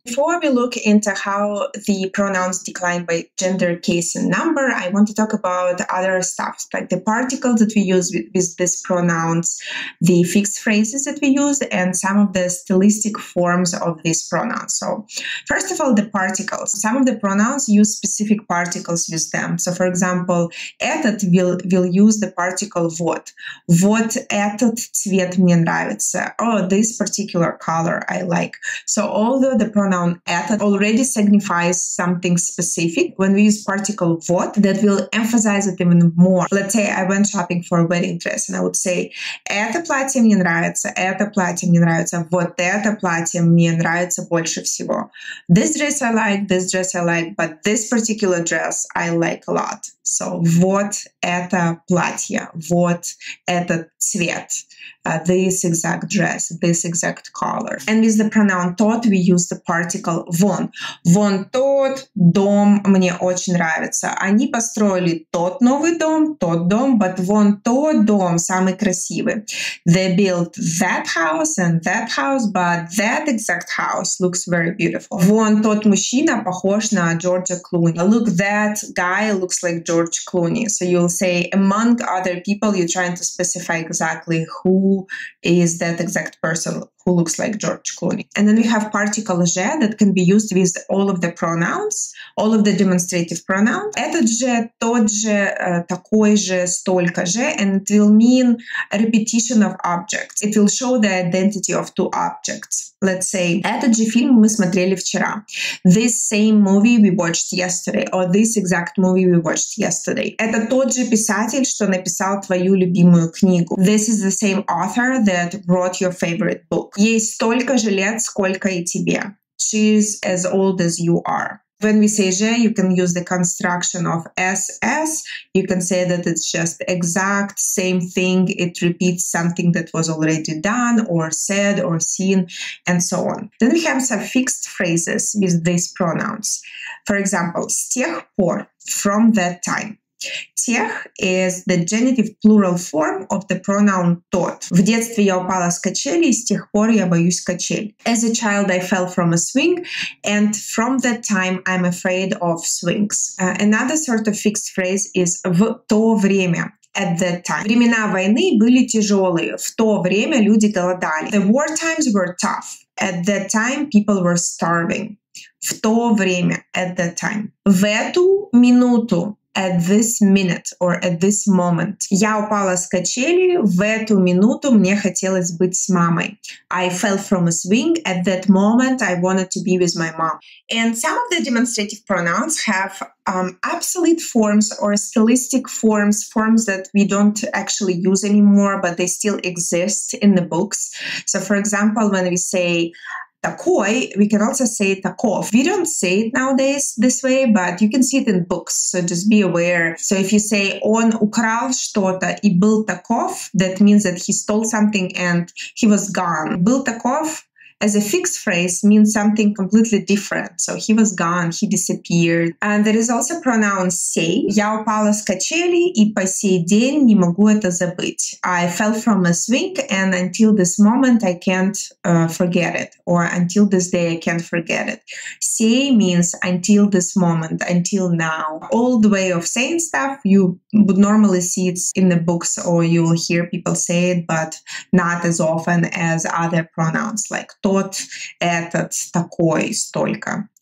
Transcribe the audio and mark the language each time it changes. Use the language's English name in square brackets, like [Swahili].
[English] Before we look into how the pronouns decline by gender, case, and number, I want to talk about other stuff, like the particles that we use with these pronouns, the fixed phrases that we use, and some of the stylistic forms of these pronouns. So, first of all, the particles. Some of the pronouns use specific particles with them. So, for example, этот will use the particle вот. [Russian] Вот этот цвет мне нравится. [English] Oh, this particular color I like. So, although the pronoun этот already signifies something specific, when we use particle вот, that will emphasize it even more. Let's say I went shopping for a wedding dress, and I would say, [Russian] это платье мне нравится, это платье мне нравится, вот это платье мне нравится больше всего. [English] This dress I like, but this particular dress I like a lot. So, [Russian] вот это платье, вот этот цвет, [English] this exact dress, this exact color. And with the pronoun тот, we use the particle вон. [Russian] Вон тот дом мне очень нравится. Они построили тот новый дом, тот дом, [English] but [Russian] вон тот дом самый красивый. [English] They built that house and that house, but that exact house looks very beautiful. [Russian] Вон тот мужчина похож на Джорджа Клуни. [English] Look, that guy looks like George Clooney. So you'll say, among other people, you're trying to specify exactly who is that exact person who looks like George Clooney. And then we have particle же that can be used with all of the pronouns, all of the demonstrative pronouns. [Russian] Этот же, тот же, такой же, столько же, [English] and it will mean a repetition of objects. It will show the identity of two objects. Let's say, [Russian] этот же фильм мы смотрели вчера. [English] This same movie we watched yesterday, or this exact movie we watched yesterday. [Russian] Это тот же писатель, что написал твою любимую книгу. [English] This is the same author that wrote your favorite book. [Russian] Ей столько же лет, сколько и тебе. [English] She's as old as you are. When we say же, you can use the construction of SS. You can say that it's just exact, same thing. It repeats something that was already done or said or seen and so on. Then we have some fixed phrases with these pronouns. For example, [Russian] с тех пор, [English] from that time. Тех is the genitive plural form of the pronoun тот. [Russian] В детстве я упала с качели, и с тех пор я боюсь качель. [English] As a child, I fell from a swing, and from that time, I'm afraid of swings. Another sort of fixed phrase is [Russian] в то время. [English] At that time. [Russian] Времена войны были тяжелые. В то время люди голодали. [English] The war times were tough. At that time, people were starving. [Russian] В то время. [English] At that time. [Russian] В эту минуту. [English] At this minute or at this moment. [Russian] Я упала с качели, в эту минуту мне хотелось быть с мамой. [English] I fell from a swing, at that moment I wanted to be with my mom. And some of the demonstrative pronouns have obsolete forms or stylistic forms, forms that we don't actually use anymore, but they still exist in the books. So for example, when we say такой, we can also say таков. We don't say it nowadays this way, but you can see it in books, so just be aware. So if you say [Russian] он украл что-то и был таков, [English] that means that he stole something and he was gone. Был таков as a fixed phrase means something completely different. So he was gone, he disappeared. And there is also pronoun сей. [Russian] Я упала с качели и по сей день не могу это забыть. [English] I fell from a swing and until this moment I can't forget it. Or until this day I can't forget it. Сей means until this moment, until now. Old way of saying stuff, you would normally see it in the books or you'll hear people say it, but not as often as other pronouns like тот, этот, такой, столько.